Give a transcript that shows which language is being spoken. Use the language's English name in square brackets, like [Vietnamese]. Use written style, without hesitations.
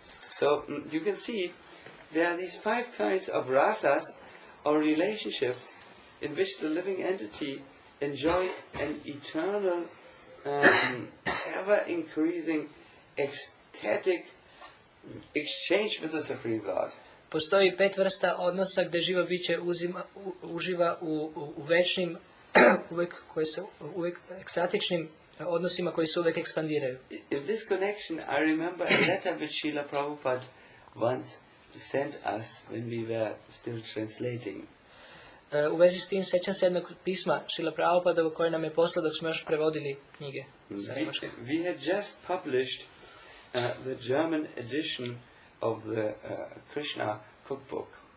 [English] So you can see there are these five kinds of rasas or relationships in which the living entity enjoy an eternal ever increasing ecstatic exchange with the Supreme Lord. [Serbian] Postoji pet vrsta odnosa gdje živo biće uživa u večnim uvek koji se uvek ekstatičnim odnosima koji se uvek ekspandiraju. [English] In this connection I remember a letter which Srila Prabhupada once sent us when we were still translating. [Serbian] U vezi s tim sećam se jednog pisma Srila Prabhupada koje nam je poslao dok smo još prevodili knjige. [English] We had just published the German edition of the Krishna cookbook.